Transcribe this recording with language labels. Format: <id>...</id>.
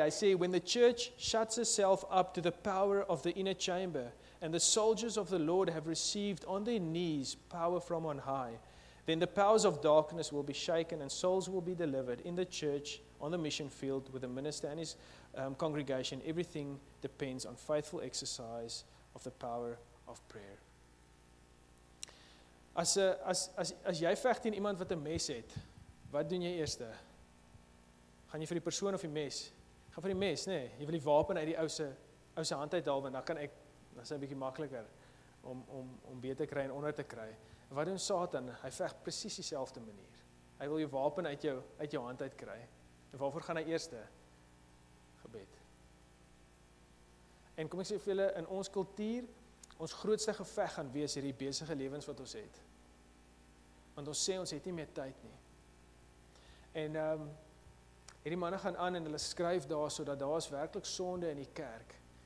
<af>Hy sê,</af> <en>when the church shuts itself up to the power of the inner chamber and the soldiers of the Lord have received on their knees power from on high, then the powers of darkness will be shaken and souls will be delivered in the church, on the mission field, with the minister and his congregation. Everything depends on faithful exercise of the power of prayer.</en> <af>As jy veg teen iemand wat 'n mes het, wat doen jy eerste? Gaan jy vir die persoon of die mes? Gaan vir die mes, nee. Jy wil die wapen uit die ouse hand uithaal, want dan kan ek, dan is dit 'n bietjie makliker om beter te kry en onder te kry. Wat doen Satan? Hy veg presies dieselfde manier. Hy wil jou wapen uit jou hand uit kry. En waarvoor gaan hy eerste? Gebed. En kom ek sê vir julle, in ons kultuur, Ons grootste geveg gaan wees hierdie besige lewens wat ons het. Want ons sê ons het nie meer tyd nie. En hierdie manne gaan aan en hulle skryf daar so dat daar is werklik sonde in die kerk.</af>